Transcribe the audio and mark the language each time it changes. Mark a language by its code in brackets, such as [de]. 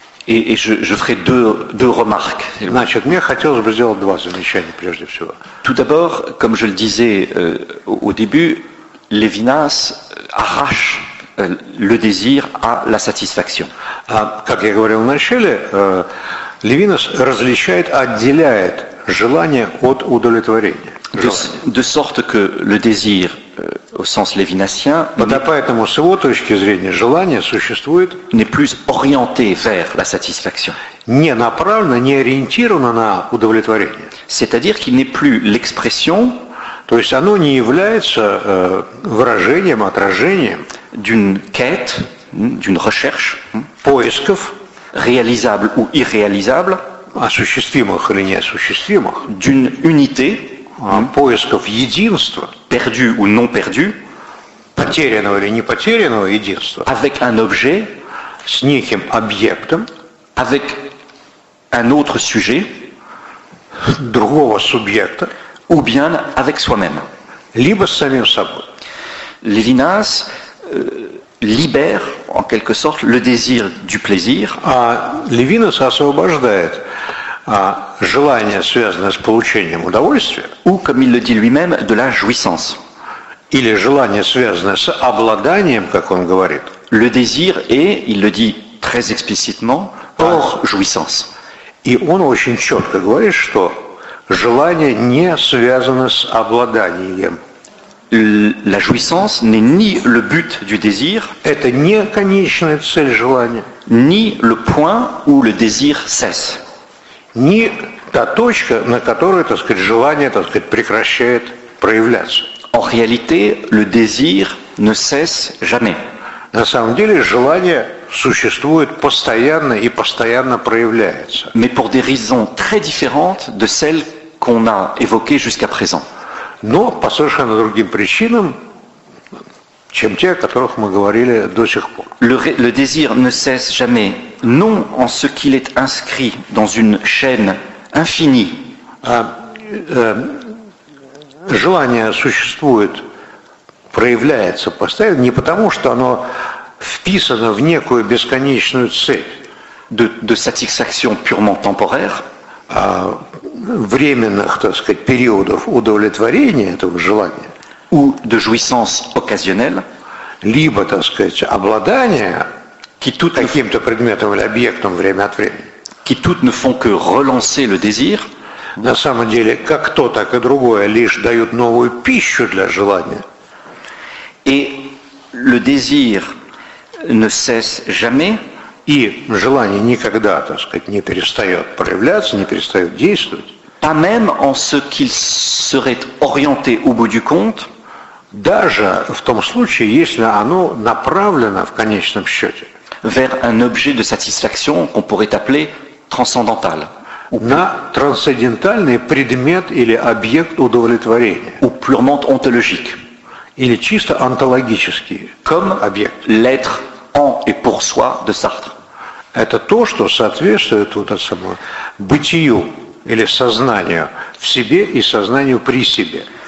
[fr] Et je ferai deux remarques. [ru] Значит, мне хотелось бы сделать два замечания прежде всего. [fr] Tout d'abord, comme je le disais au début, Levinas arrache le désir à la satisfaction. [ru] Как я говорил вначале, Левинас различает, отделяет желание от удовлетворения. [fr] De sorte que le désir au sens lévinassien [ru] поэтому, с его точки зрения, желание существует [fr] n'est plus orienté vers la satisfaction. [ru] Не направлено, не ориентировано на удовлетворение. [fr] C'est-à-dire qu'il n'est plus l'expression, [ru] то есть оно не является выражением, отражением [fr] d'une quête, d'une recherche, [ru] поисков [fr] réalisable ou irréalisable, [ru] осуществимых или неосуществимых, [fr] d'une unité, [ru] поисков единства, [fr] perdu ou non perdu, [ru] потерянного или не потерянного единства, [fr] avec un objet, [ru] с неким объектом, [fr] avec un autre sujet, [ru] другого субъекта, [fr] ou bien avec soi-même, [ru] либо с самим собой. [fr] Levinas libère, en quelque sorte, le désir du plaisir. [ru] Levinas освобождает желание, связанное с получением удовольствия, [fr] ou, comme il le dit lui-même, de la jouissance. [ru] Или желание, связанное с обладанием, как он говорит. [fr] Le désir est, il le dit très explicitement, hors jouissance. [ru] И он очень четко говорит, что желание не связано с обладанием. [fr] La jouissance n'est ni le but du désir, [ru] это не конечная цель желания, [fr] ni le point où le désir cesse. [ru] Ни та точка, на которой, так сказать, желание, так сказать, прекращает проявляться. [fr] En réalité, le désir ne cesse jamais. [ru] На самом деле, желание существует постоянно и постоянно проявляется. [fr] Mais pour des raisons très différentes de celles qu'on a évoquées jusqu'à présent. [ru] Но по совершенно другим причинам, чем те, о которых мы говорили до сих пор. [fr] Le désir ne cesse jamais, non en ce qu'il est inscrit dans une chaîne infinie. [ru] Желание существует, проявляется постоянно, не потому, что оно вписано в некую бесконечную цепь [fr] de satisfaction purement temporaire, [ru] временных, так сказать, периодов удовлетворения этого желания, [fr] ou de jouissance occasionnelle, [ru] либо, так сказать, обладания каким-то предметом или объектом время от времени, [fr] qui toutes ne font que relancer le désir. [ru] На самом деле, как то, так и другое лишь дают новую пищу для желания. [fr] Et le désir ne cesse jamais. [ru] И желание никогда, так сказать, не перестает проявляться, не перестает действовать. [fr] Pas même en ce qu'il serait orienté au bout du compte. [ru] Даже в том случае, если оно направлено в конечном счете. [fr] Vers un objet de satisfaction qu'on pourrait appeler transcendantal. [ru] На трансцендентальный предмет или объект удовлетворения. [fr] Ou purement ontologique. [ru] Или чисто онтологический [fr] comme [ru] объект. [fr] L'être en et pour soi de Sartre. [ru] Это то, что соответствует вот этому бытию или сознанию в себе и сознанию при себе.